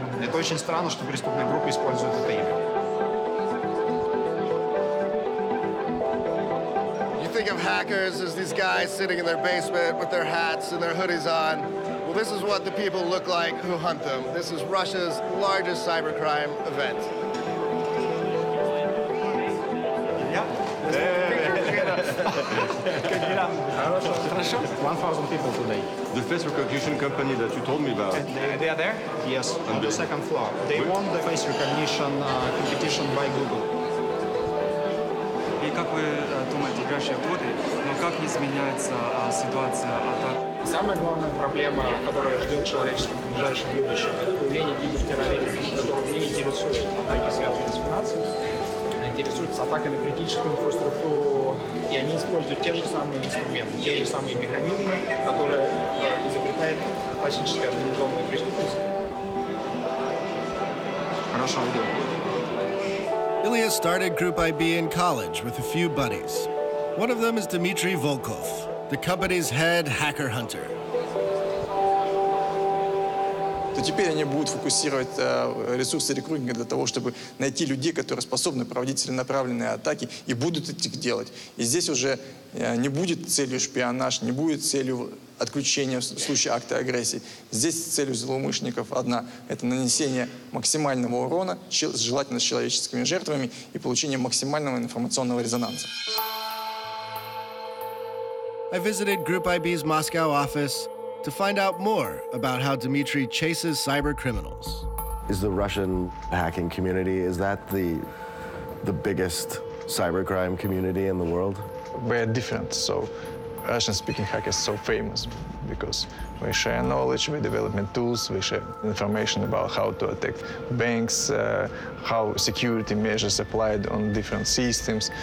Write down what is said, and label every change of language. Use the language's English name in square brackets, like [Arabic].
[Russian] Это очень странно, что преступная группа использует это имя. [English] You think of hackers as these guys sitting in their basement with their hats and their hoodies on. Well, this is what the people look like who hunt them. This is Russia's largest cybercrime event. [Russian] Хорошо, 1000 людей. [English] The face recognition company that you told me about. They are there? Yes, on the second floor. They won the face recognition competition by Google. [Russian] И как вы думаете, прошли годы, но как изменяется ситуация? Самая главная проблема, которая ждет человечество в ближайшем будущем, это умение видеть терроризм, не интересует атаки, связанные с финансами, интересуется атаками критической инфраструктуры. И они используют те же самые инструменты, те же самые механизмы, которые изобретает классическая организованная преступность. Хорошо, идем. [English] Ilya started Group IB in college with a few buddies. One of them is Dmitry Volkov, the company's head hacker hunter. [Russian] То теперь они будут фокусировать ресурсы рекрутинга для того, чтобы найти людей, которые способны проводить целенаправленные атаки, и будут это делать. И здесь уже не будет целью шпионаж, не будет целью отключения в случае акта агрессии. Здесь целью злоумышленников одна – это нанесение максимального урона, желательно с человеческими жертвами, и получение максимального информационного резонанса. [English] I visited Group IB's Moscow office to find out more about how Dmitry chases cyber criminals. Is the Russian hacking community, is that the biggest cybercrime community in the world? We're different, so Russian-speaking hackers are so famous because we share knowledge, we develop tools, we share information about how to attack banks, how security measures applied on different systems.